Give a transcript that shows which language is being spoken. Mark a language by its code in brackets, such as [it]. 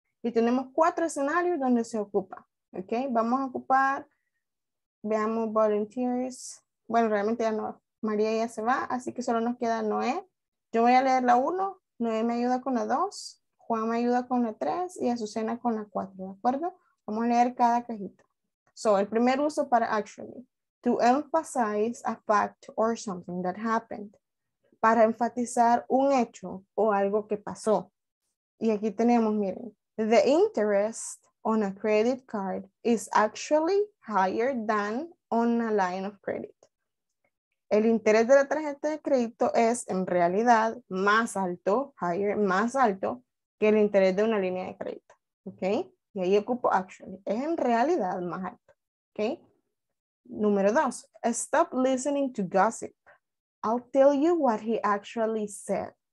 [es] Y tenemos 4 escenarios donde se ocupa, ok, vamos a ocupar, veamos volunteers, bueno, realmente ya no. María ya se va, así que solo nos queda Noé. Yo voy a leer la 1, Noé me ayuda con la 2, Juan me ayuda con la 3 y Azucena con la 4, ¿de acuerdo? Vamos a leer cada cajita. So, el primer uso para actually. [en] To emphasize a fact or something that happened. [es] Para enfatizar un hecho o algo que pasó. Y aquí tenemos, miren. [en] The interest on a credit card is actually higher than on a line of credit. [es] El interés de la tarjeta de crédito es en realidad más alto, higher, más alto que el interés de una línea de crédito. ¿Ok? Y ahí ocupo actually. Es en realidad más alto. ¿Ok? Número 2. [en] Stop listening to gossip. I'll tell you what he actually said.